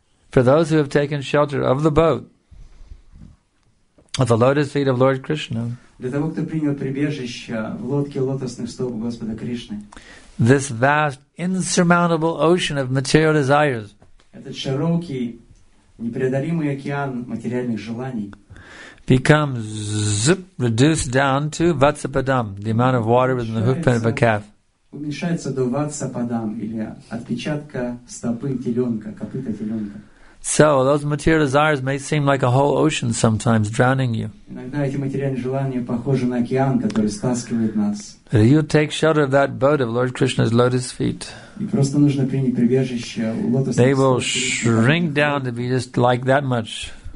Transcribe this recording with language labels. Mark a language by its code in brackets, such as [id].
[en] For those who have taken shelter of the boat, of the lotus feet of Lord Krishna, [ru] для того, кто принял прибежище в лодке лотосных стоп Господа Кришны, [en] this vast, insurmountable ocean of material desires, [ru] этот широкий, непреодолимый океан материальных желаний, [en] becomes zip, reduced down to vatsapadam, the amount of water within the hoofprint of a calf. [ru] Уменьшается до ватсападам или отпечатка стопы теленка, копыта теленка. [en] So those material desires may seem like a whole ocean sometimes drowning you. But you take shelter of that boat of Lord Krishna's lotus feet, they will shrink down to be just like that much.